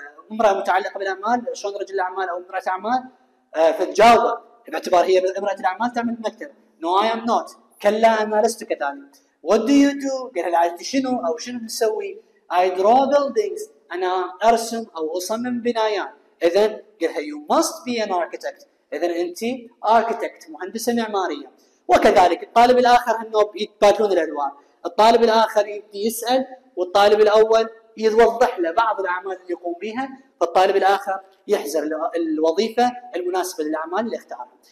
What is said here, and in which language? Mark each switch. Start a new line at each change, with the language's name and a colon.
Arabic: امرأة متعلقة بالأعمال شلون رجل أعمال أو امرأة أعمال فتجاوب باعتبار هي امرأة الأعمال تعمل في المكتب
English: no I am not
Arabic: كلا أنا لست كذلك
English: What do you do?
Arabic: قال لها عادتي شنو أو شنو بتسوي؟
English: I draw buildings.
Arabic: أنا أرسم أو أصمم بنايات. إذن قالها
English: you must be an architect.
Arabic: إذن أنت architect مهندسة معمارية. وكذلك الطالب الآخر إنه يتبادلون الأدوار. الطالب الآخر يسأل والطالب الأول يوضح له بعض الأعمال اللي يقوم بها. فالطالب الآخر يحزر الوظيفة المناسبة للأعمال اللي اختارها.